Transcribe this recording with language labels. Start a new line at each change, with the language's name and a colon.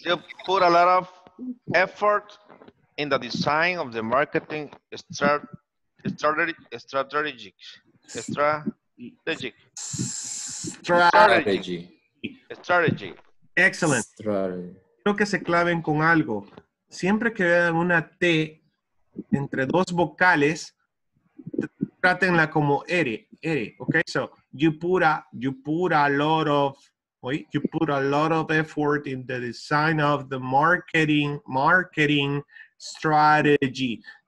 English: You put a lot of effort in the design of the marketing strategy. Excellent.
Spanish: Creo que se claven con algo. Siempre que vean una T entre dos vocales, trátenla como R, okay?
English: So, you put a lot of effort in the design of the marketing strategy.